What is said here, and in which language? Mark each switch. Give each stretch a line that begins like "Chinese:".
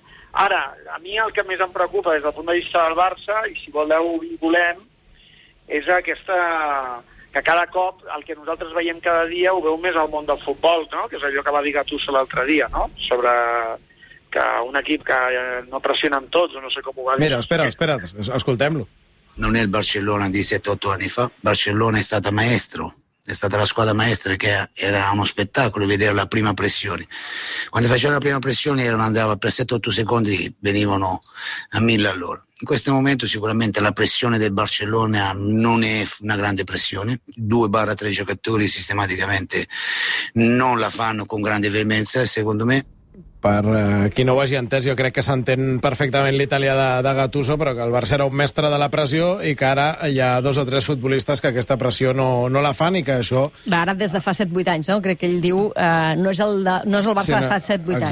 Catalan: Ara, a mi el que més em preocupa des del punt de vista del Barça, i si voleu i volem, és aquesta, que cada cop el que nosaltres veiem cada dia ho veu més al món del futbol, no? Que és allò que va dir Gattuso l'altre dia, no? Sobre que un equip que no pressiona amb tots, o no sé com ho va dir. Mira, espera, escoltem-lo.
Italian: Non è il Barcellona di 7-8 anni fa. Barcellona è stata maestro. È stata la squadra maestra, che era uno spettacolo vedere la prima pressione. Quando faceva la prima pressione erano, andava per 7-8 secondi, venivano a 1000 all'ora. In questo momento sicuramente la pressione del Barcellona non è una grande pressione, 2-3 giocatori sistematicamente non la fanno con grande veemenza, secondo me.
Catalan: Per qui no ho hagi entès, jo crec que s'entén perfectament l'Italia de Gattuso, però que el Barça era un mestre de la pressió i que ara hi ha dos o tres futbolistes que aquesta pressió no la fan i que això... Va, ara des de fa 7-8 anys, no? Crec que ell diu no és el Barça, sí, no, de fa 7-8 anys.